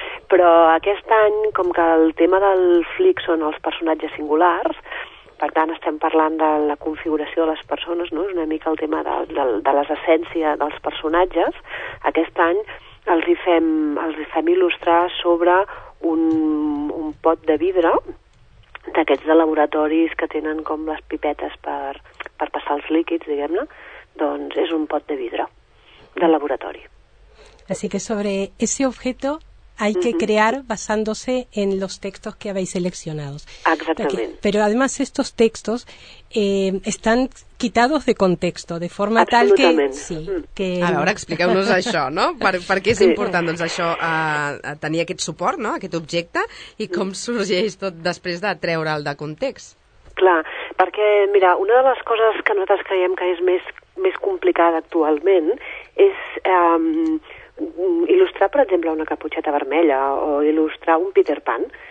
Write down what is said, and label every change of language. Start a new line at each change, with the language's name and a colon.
Catalan: Però aquest any, com que el tema del Flick són els personatges singulars, per tant estem parlant de la configuració de les persones, no?, és una mica el tema de les essències dels personatges, aquest any els hi fem il·lustrar sobre un pot de vidre d'aquests de laboratoris que tenen com les pipetes per passar els líquids, diguem-ne, doncs és un pot de vidre de laboratori.
Spanish: Así que sobre ese objeto hay que crear basándose en los textos que habéis seleccionado. Exactamente. Pero además estos textos están quitados de contexto, de forma tal que... Sí, que...
Catalan: A veure, expliqueu-nos això, no? Per què és important, doncs, això, a tenir aquest suport, no?, aquest objecte, i com sorgeix tot després de treure'l de context? Clar, perquè, mira, una de les coses que nosaltres creiem que és més complicada actualment és il·lustrar, per exemple, una caputxeta vermella o il·lustrar un Peter Pan.